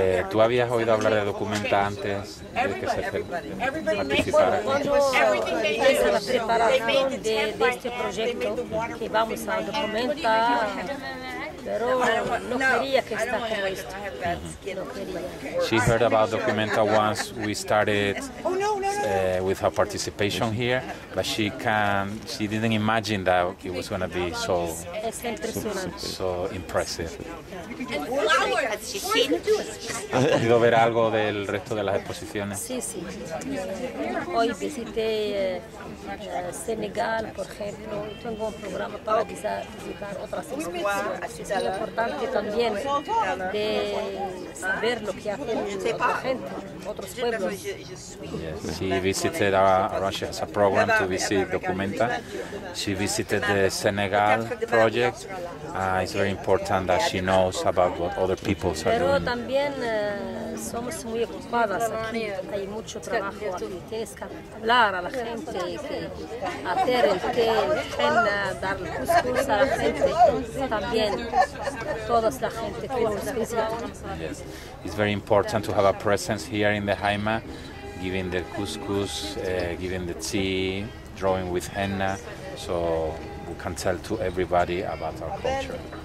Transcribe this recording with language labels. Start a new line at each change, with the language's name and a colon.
Spanish: ¿Tú habías oído hablar de Documenta antes de que se participara? Cuando la preparación de este proyecto que vamos a Documenta, pero no quería que esté como esto.
English: She heard about Documenta once we started with her participation here, but she didn't imagine that it was going to be so impressive.
Spanish: ¿Has podido ver algo del resto de las exposiciones? Sí, sí. Hoy visité Senegal, por ejemplo. Tengo un programa para visitar otras exposiciones. Es muy importante también de saber lo que hacen otra gente, otros pueblos.
English: Yes. She visited Russia as a program to visit dOCUMENTA. She visited the Senegal project. It's very important that she knows about what other people are
Spanish: pero
English: doing.
Spanish: Pero también somos muy ocupadas aquí. Hay mucho trabajo aquí. Tienes que hablar a la gente, que hacer el té, dar cuscús a la gente. También, toda la gente que nos visita.
English: Yes. It's very important to have a presence here in the Haima, giving the couscous, giving the tea, drawing with henna, so we can tell to everybody about our culture.